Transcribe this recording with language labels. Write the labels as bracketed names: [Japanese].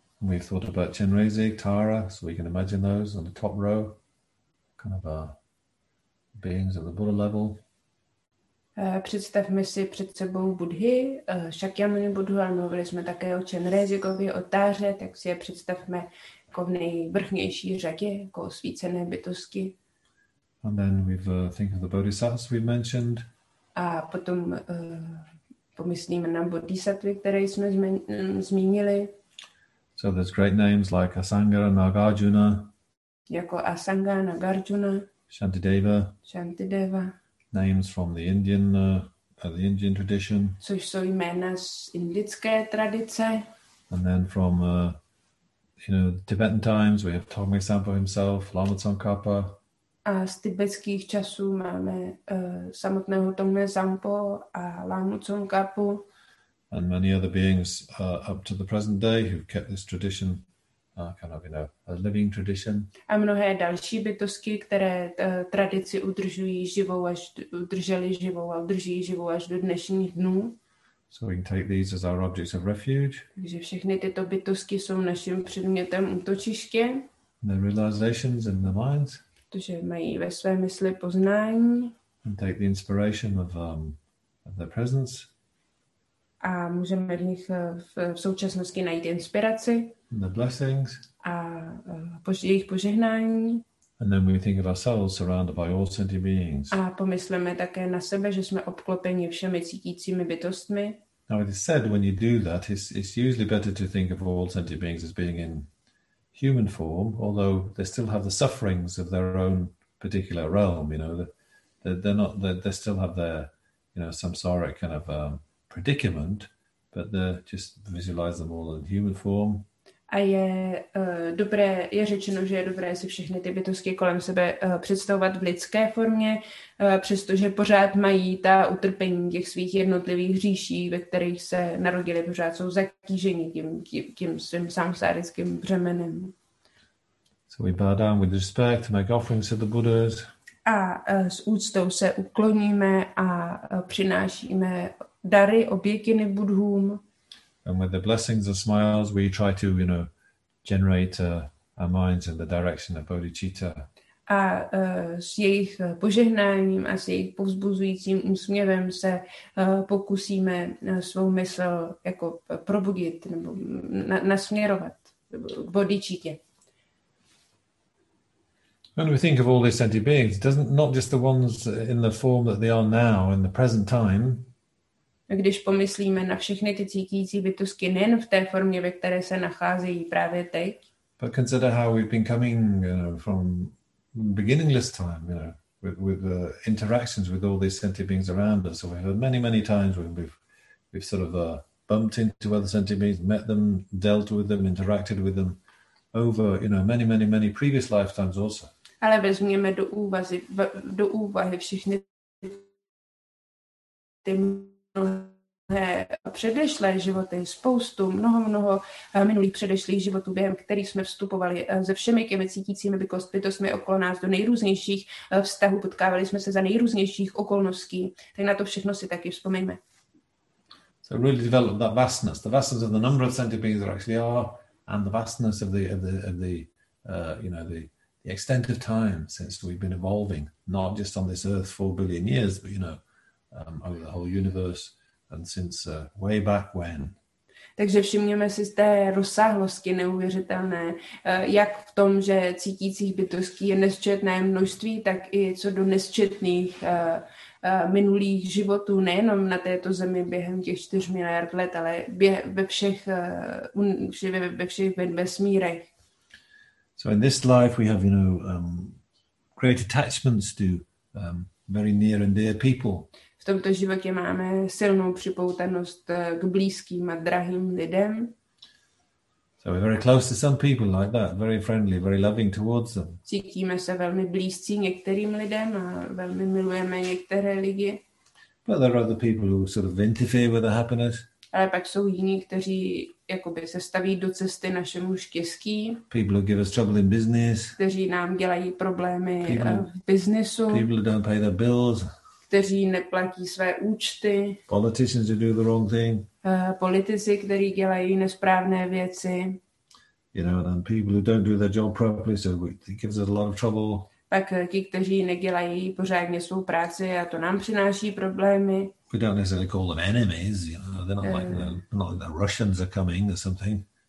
[English] And we've thought about Chenrezig, Tara, so we can imagine those on the top row, kind of our beings at the Buddha level. [Czech] Představme si před sebou Budhy, Shakyamuni Budhu, ale mluvili jsme také o Chenrezigově, o Táře, tak si je představme jako v nejvrchnější řadě, jako osvícené bytosti. [English] And then we've think of the Bodhisattvas we mentioned. [Czech] A potom pomyslíme na Bodhisattvy, které jsme zmínili. [English] So there's great names like Asanga, Nagarjuna. [Czech] Jako Asanga, Nagarjuna. [English] Shantideva. [Czech] Shantideva. [English] Names from the Indian tradition. [Czech] Což jsou jména z indické tradice. [English] And then from you know, the Tibetan times, we have Thongme Sampo himself, Lama Tsongkhapa. [Czech] A z tibetských časů máme samotného Thongme Sampo a Lama Tsongkhapu. [English] And many other beings up to the present day who've kept this tradition kind of, you know, a living tradition. [Czech] A mnohé další bytosti, které tradici udržují živou až udrželi živou a udrží živou až do dnešních dnů. [English] So we can take these as our objects of refuge. [Czech] Takže všechny tyto bytosti jsou naším předmětem útočiště. [English] The realizations in the minds. [Czech] Protože mají ve své mysli poznání. [English] And take the inspiration of their presence. [Czech] A můžeme v nich v současnosti najít inspiraci. [English] And the blessings. [Czech] A jejich požehnání. [English] And then we think of ourselves surrounded by all sentient beings. [Czech] A pomysleme také na sebe, že jsme obklopeni všemi cítícími bytostmi. [English] Now it is said when you do that, it's usually better to think of all sentient beings as being in human form, although they still have the sufferings of their own particular realm, you know. They still have their, you know, samsaric kind of predicament, but just visualize them all in human form. [Czech] A je dobré, je řečeno, že je dobré si všechny ty bytosti kolem sebe představovat v lidské formě, přestože pořád mají ta utrpení těch svých jednotlivých hříší, ve kterých se narodili, pořád jsou zatíženi tím svým samsárickým břemenem. [English] So we bow down with respect to make offerings to the Buddhas. [Czech] A s úctou se ukloníme a přinášíme dary, obětiny Buddhům. [English] And with the blessings and smiles, we try to, you know, generate our minds in the direction of bodhicitta. [Czech] A s jejich požehnáním a s jejich povzbuzujícím úsměvem se pokusíme svou mysl jako probudit nebo nasměrovat k bodhicitě. [English] When we think of all these sentient beings, it doesn't not just the ones in the form that they are now in the present time. [Czech] Když pomyslíme na všechny ty cítící bytosti, nejen v té formě, ve které se nacházejí právě teď. [English] But consider how we've been coming, you know, from beginningless time, you know, with the interactions with all these sentient beings around us. So we've had many, many times when we've sort of bumped into other sentient beings, met them, dealt with them, interacted with them over, you know, many, many, many previous lifetimes also. [Czech] Ale vezměme do úvahy všechny ty mnohé předešlé životy, spoustu, mnoho minulých předešlých životů, během kterých jsme vstupovali se všemi těmi cítícími bytostmi okolo nás do nejrůznějších vztahů, potkávali jsme se za nejrůznějších okolností, tak na to všechno si taky vzpomeňme. [English] So really develop that vastness, the vastness of the number of sentient beings there actually are, and the vastness of the extent of time since we've been evolving, not just on this earth 4 billion years, but you know, over the whole universe and since way back when. [Czech] Takže všimněme si z té rozsáhlosti neuvěřitelné, jak v tom, že cítících bytostí je nesčetné množství, tak i co do nesčetných minulých životů, nejenom na této zemi během těch 4 miliard let, ale ve všech vesmírech. [English] So in this life we have, you know, great attachments to very near and dear people. [Czech] V tomto životě máme silnou připoutanost k blízkým a drahým lidem. [English] So we're very close to some people like that, very friendly, very loving towards them. [Czech] Cítíme se velmi blízcí některým lidem a velmi milujeme některé lidi. [English] But there are other people who sort of interfere with the happiness. [Czech] Ale pak jsou jiní, kteří jakoby se staví do cesty našemu štěstí. [English] People who give us trouble in business. [Czech] Kteří nám dělají problémy v biznesu. [English] People who don't pay their bills. [Czech] kteří neplatí své účty. [English] Politicians who do the wrong thing. [Czech] Politici, kteří dělají nesprávné věci. [English] You know, and people who don't do their job properly, so it gives us a lot of trouble. [Czech] Tak ti, kteří nedělají pořádně svou práci, a to nám přináší problémy. [English] We don't necessarily call them enemies, you know, they're not like, not like the Russians are coming or something.